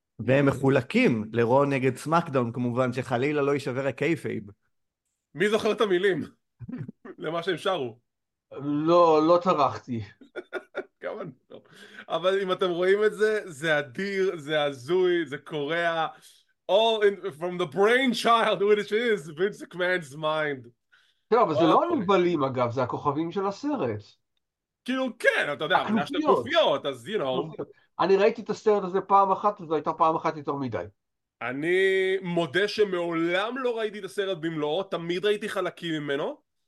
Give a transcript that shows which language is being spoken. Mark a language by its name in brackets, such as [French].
[Hebrew] והם מחולקים לרו נגד סמקדאון, כמובן, שחלילה לא יישבר הקייפייב. מי זוכר את המילים? למה שהם שרו? לא, לא טרחתי. אבל אם אתם רואים את זה, זה אדיר, זה הזוי, זה קורה. [English] All in, from the brain child, which is Vince McMahon's mind. [Hebrew] כן, אבל זה לא הנבלים, אגב, זה הכוכבים של הסרט. כאילו כן, אתה יודע, אבל יש את הכנופיות, [English] אז you know. [Hebrew] אני ראיתי את הסרט הזה פעם אחת, וזו הייתה פעם אחת יותר מדי. אני מודה שמעולם לא ראיתי את הסרט במלואו, תמיד ראיתי חלקים ממנו.